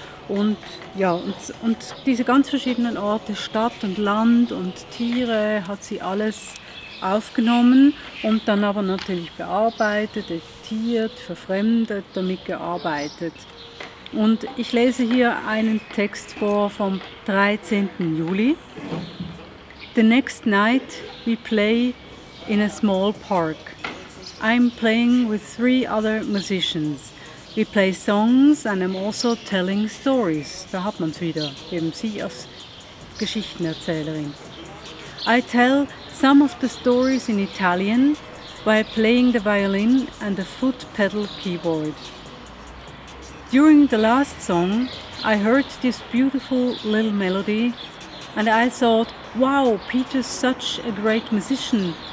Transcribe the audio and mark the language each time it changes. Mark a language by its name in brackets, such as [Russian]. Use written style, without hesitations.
[German] Und ja, und diese ganz verschiedenen Orte, Stadt und Land und Tiere, hat sie alles aufgenommen und dann aber natürlich bearbeitet, editiert, verfremdet, damit gearbeitet. Und ich lese hier einen Text vor vom 13. Juli. [English] The next night we play in a small park. I'm playing with three other musicians. We play songs and I'm also telling stories. [German] Da hat man's wieder, eben sie als Geschichtenerzählerin. [English] I tell some of the stories in Italian while playing the violin and the foot pedal keyboard. During the last song, I heard this beautiful little melody and I thought, wow, Peter's such a great musician.